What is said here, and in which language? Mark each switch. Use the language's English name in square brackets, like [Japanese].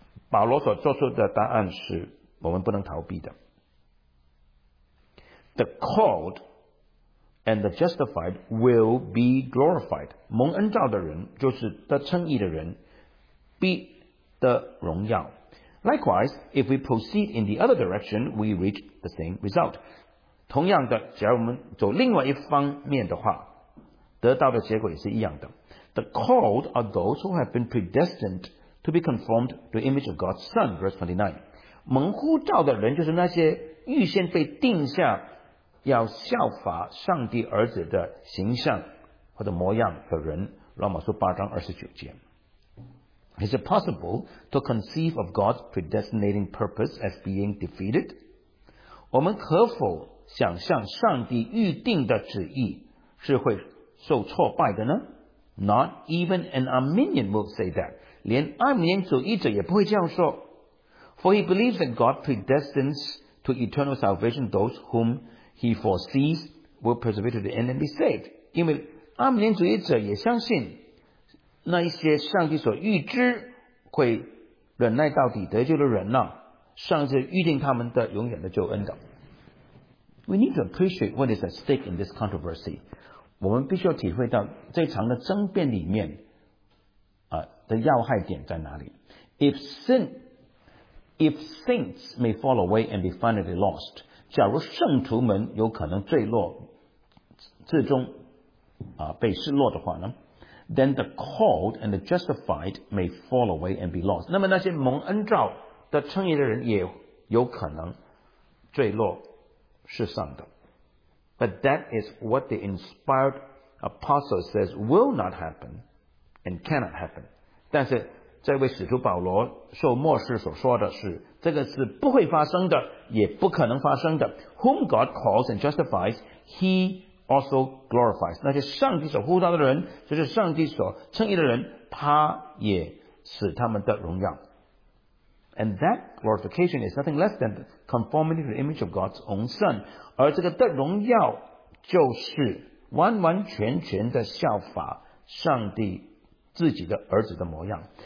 [Chinese] 保罗所做出的答案是我们不能逃避的。 [English] The called and the justified will be glorified. [Chinese] 蒙恩召的人就是得称义的人必得荣耀。 [English] Likewise, if we proceed in the other direction, we reach the same result. [Chinese] 同样的，假如我们走另外一方面的话，得到的结果也是一样的。 [English] The called are those who have been predestined to be conformed to the image of God's Son, verse 29. [Chinese] 蒙呼召的人就是那些预先被定下要效法上帝儿子的形象或者模样的人，罗马书八章二十九节。 [English] Is it possible to conceive of God's predestinating purpose as being defeated? [Chinese] 我们可否想象上帝预定的旨意是会受挫败的呢？ [English] Not even an Arminian will say that. [Chinese] 连阿米尼主义者也不会这样说。 [English] For he believes that God predestines to eternal salvation those whom he foresees will persevere to the end and be saved. [Chinese] 因为阿米尼主义者也相信那一些上帝所预知会忍耐到底得救的人呢，上帝预定他们的永远的救恩的。 [English] We need to appreciate what is at stake in this controversy. [Chinese] 我们必须要体会到这场的争辩里面、的要害点在哪里。 [English] If saints may fall away and be finally lost, [Chinese] 假如圣徒们有可能坠落最终、被失落的话呢， [English] Then the called and the justified may fall away and be lost. [Chinese] 那么那些蒙恩召的称义的人也有可能坠落失丧的。 [English] But that is what the inspired apostle says will not happen and cannot happen. [Chinese] 但是这位使徒保罗受默示所说的是，这个是不会发生的，也不可能发生的。 [English] Whom God calls and justifies, he also glorifies. [Chinese] 那些上帝所呼召的人，就是上帝所称义的人，他也使他们得荣耀。 [English] And that glorification is nothing less than conformity to the image of God's own Son. [Chinese] 而这个的荣耀就是完完全全的效法上帝自己的儿子的模样。